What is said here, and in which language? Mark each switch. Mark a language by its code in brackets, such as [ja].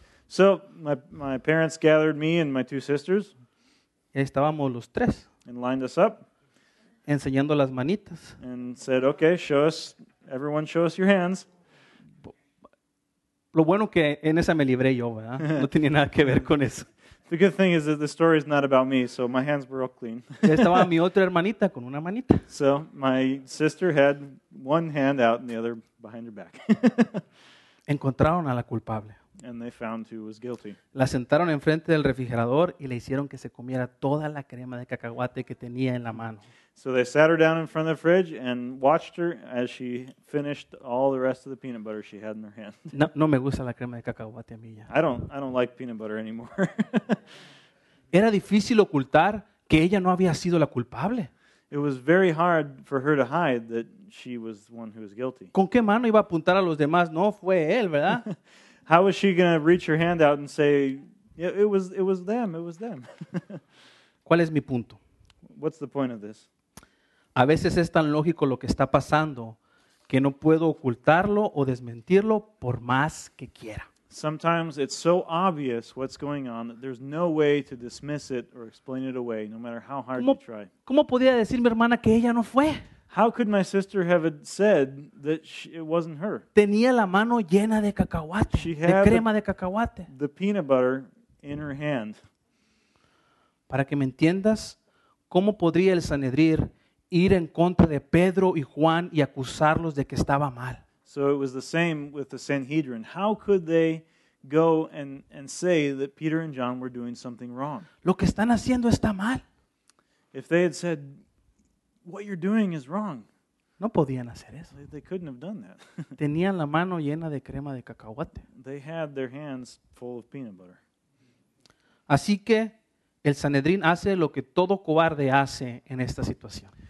[en] So my parents gathered me and my two sisters. [es] Estábamos los tres. [en] And lined us up. [es] Enseñando las manitas. [en] And said, okay, show us, everyone show us your hands. [es] Lo bueno que en esa me libré yo, ¿verdad? No tenía nada que ver con eso. [en] The good thing is that the story is not about me, so my hands were all clean. [es] Estaba mi otra hermanita con una manita. [en] So my sister had one hand out and the other behind her back. [es] Encontraron a la culpable. [en] And they found who was guilty. [es] La sentaron enfrente del refrigerador y le hicieron que se comiera toda la crema de cacahuate que tenía en la mano. [en] So they sat her down in front of the fridge and watched her as she finished all the rest of the peanut butter she had in her hand. [es] No, no me gusta la crema de cacahuate a mí ya. [en] I don't like peanut butter anymore. [es] Era difícil ocultar que ella no había sido la culpable. [en] It was very hard for her to hide that she was the one who was guilty. [es] ¿Con qué mano iba a apuntar a los demás? No fue él, ¿verdad? [en] How was she going to reach her hand out and say, yeah, it was them, it was them? [es] ¿Cuál es mi punto? [en] What's the point of this? [es] A veces es tan lógico lo que está pasando que no puedo ocultarlo o desmentirlo por más que quiera. [en] Sometimes it's so obvious what's going on that there's no way to dismiss it or explain it away, no matter how hard you try. [es] ¿Cómo podía decir mi hermana que ella no fue? [en] How could my sister have said that it wasn't her? [es] Tenía la mano llena de cacahuate, [en] she had [es] de crema de cacahuate. [en] The peanut butter in her hand. [es] Para que me entiendas, ¿cómo podría el Sanedrín ir en contra de Pedro y Juan y acusarlos de que estaba mal? [en] So it was the same with the Sanhedrin. How could they go and say that Peter and John were doing something wrong? [es] Lo que están haciendo está mal. [en] If they had said, what you're doing is wrong. [es] No podían hacer eso. [en] They couldn't have done that. [es] Tenían la mano llena de crema de cacahuate. [en] They had their hands full of peanut butter. [es] Así que el Sanhedrin hace lo que todo cobarde hace en esta situación.